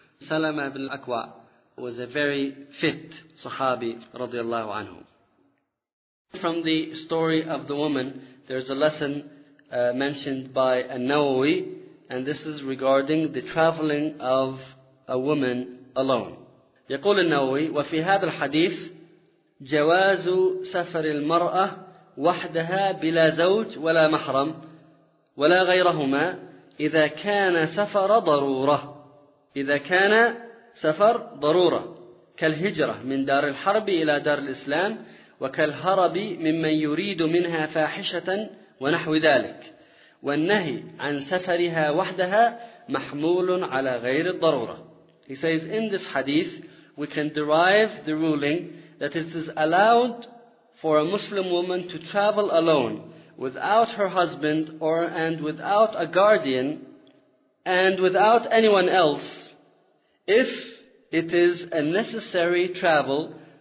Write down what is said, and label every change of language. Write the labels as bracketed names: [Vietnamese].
[English] Salama ibn al-Aqwa was a very fit Sahabi radiallahu anhu. From the story of the woman, there's a lesson mentioned by An-Nawawi. And this is regarding the traveling of a woman alone. [Arabic] يقول النووي وفي هذا الحديث جواز سفر المرأة وحدها بلا زوج ولا محرم ولا غيرهما إذا كان سفر ضرورة إذا كان سفر ضرورة كالهجرة من دار الحرب إلى دار الإسلام و وكالهرب ممن يريد منها فاحشة ونحو ذلك، والنهي عن سفرها وحدها محمول على غير الضرورة. [English] He says in this hadith we can derive the ruling that it is allowed for a Muslim woman to travel alone without her husband or and without a guardian and without anyone else if it is a necessary travel.